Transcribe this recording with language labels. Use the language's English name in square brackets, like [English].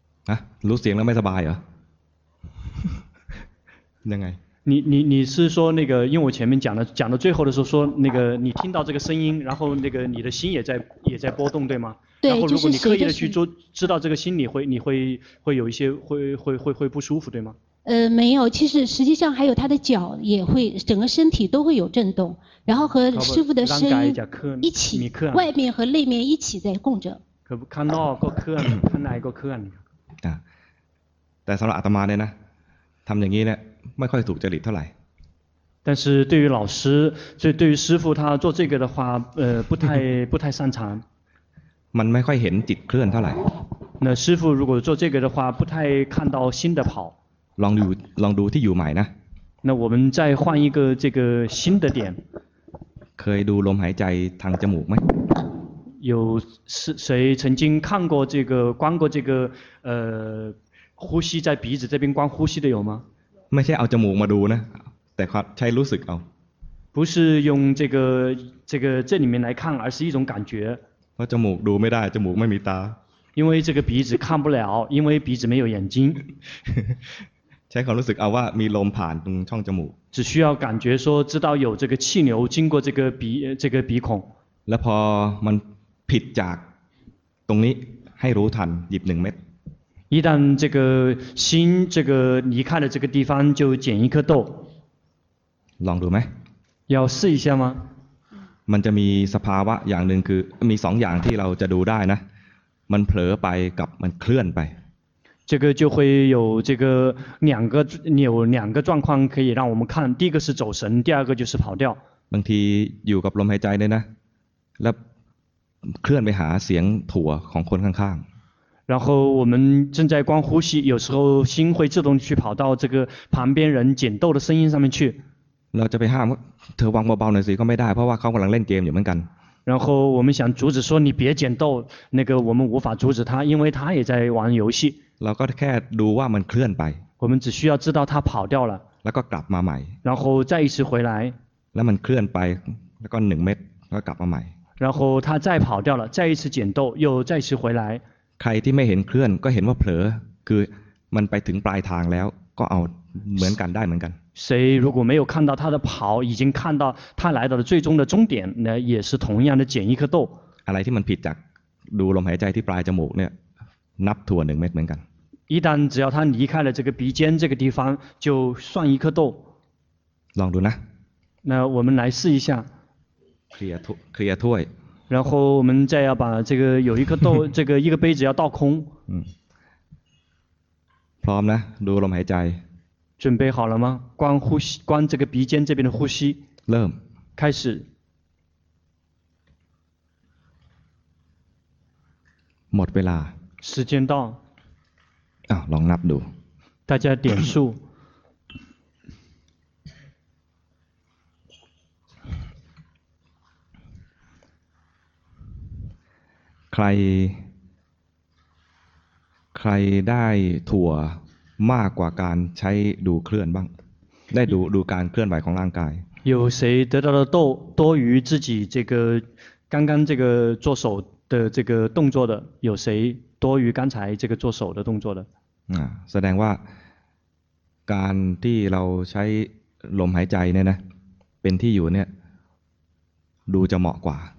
[Thai] ฮะรู้เสียงแล้วไม่สบายเหรอยังไง [Chinese] 你是说那个因为我前面讲到最后的时候说那个你听到这个声音然后那个你的心也在波动对吗对然后如果你刻意的去做知道这个心你会有一些会不舒服对吗没有，其实实际上还有他的脚也会，整个身体都会有震动，然后和师父的声音一起，外面和内面一起在共振。可不，看到个客人，看来个客人。啊，但是阿达玛呢，他们这样呢，没快走这里出来。但是对于老师，所以对于师父他做这个的话，不太擅长。 [Thai] มันไม่ค่อยเห็นจิตเคลื่อนเท่าไหร่。 [Chinese] 那师父如果做这个的话，不太看到心的跑。 [Thai] ลองดูที่อยู่ใหม่นะ [Chinese] 那我们再换一个这个新的点 [Thai] เคยดูลมหายใจทางจมูกไหม [Chinese] 有谁曾经看过这个观过这个呼吸在鼻子这边观呼吸的有吗 [Thai] ไม่ใช่เอาจมูกมาดูนะแต่ใช้รู้สึกเอา [Chinese] 不是用这个这里面来看而是一种感觉 [Thai] เพราะจมูกดูไม่ได้จมูกไม่มีตา [Chinese] 因为这个鼻子看不了因为鼻子没有眼睛 [Thai] ใช้ความรู้สึกเอาว่ามีลมผ่านตรงช่องจมูก [Chinese] 只需要感觉说知道有这个气流经过这个鼻孔 [Thai] แล้วพอมันผิดจากตรงนี้ให้รู้ทันหยิบหนึ่งเม็ด [Chinese] 一旦这个心这个离开了这个地方就捡一颗豆 [Thai] ลองดูไหม [Chinese] 要试一下吗 [Thai] มันจะมีสภาวะอย่างหนึ่งคือมีสองอย่างที่เราจะดูได้นะมันเผลอไปกับมันเคลื่อนไป [Chinese] 这个就会有这个两个有两个状况可以让我们看第一个是走神第二个就是跑掉 [Thai] บางทีอยู่กับลมหายใจเลยนะแล้วเคลื่อนไปหาเสียงถั่วของคนข้าง [Chinese] ๆ然后我们正在观呼吸有时候心会自动去跑到这个旁边人捡豆的声音上面去 [Thai] เราจะไปห้ามเธอวางเบาๆหน่อยสิก็ไม่ได้เพราะว่าเขากำลังเล่นเกมอยู่เหมือนกัน [Chinese] 然后我们想阻止说你别捡豆那个我们无法阻止他因为他也在玩游戏 [Thai] เราก็แค่ดูว่ามันเคลื่อนไป [Chinese] 我们只需要知道它跑掉了 [Thai] แล้วก็กลับมาใหม่ [Chinese] 然后再一次回来 [Thai] แล้วมันเคลื่อนไปแล้วก็หนึ่งเม็ดแล้วกลับมาใหม่ [Chinese] 然后它再跑掉了再一次捡豆又再一次回来 [Thai] ใครที่ไม่เห็นเคลื่อนก็เห็นว่าเผลอคือมันไปถึงปลายทางแล้วก็เอาเหมือนกันได้เหมือนกัน [Chinese] 谁如果没有看到它的跑已经看到它来到了最终的终点那也是同样的捡一颗豆 [Thai] อะไรที่มันผิดจากดูลมหายใจที่ปลายจมูกเนี่ยนับถั่วหนึ่งเม็ดเหมือนกัน [Chinese] 一旦只要他离开了这个鼻尖这个地方就算一颗豆 [Thai] ลองดูนะ [Chinese] 那我们来试一下 [Thai] เคลียร์ถ้วย [Chinese] 然后我们再要把这个有一颗豆这个一个杯子要倒空 [Thai] พร้อมนะดูลมหายใจ [Chinese] 准备好了吗观呼吸观这个鼻尖这边的呼吸 [Thai] เริ่ม [Chinese] 开始 [Thai] หมดเวลา [Chinese] 时间到 [Thai] ลองนับดู [Chinese] 大家点数 [Thai] ใครได้ถั่วมากกว่าการใช้ดูเคลื่อนบ้างได้ดูการเคลื่อนไหวของร่างกาย [Chinese] 有谁得到的多于自己这个刚刚这个做手的这个动作的有谁多于刚才这个做手的动作的 [Thai] แสดงว่าการที่เราใช้ลมหายใจเนี่ยนะเป็นที่อยู่เนี่ยดูจะเหมาะกว่า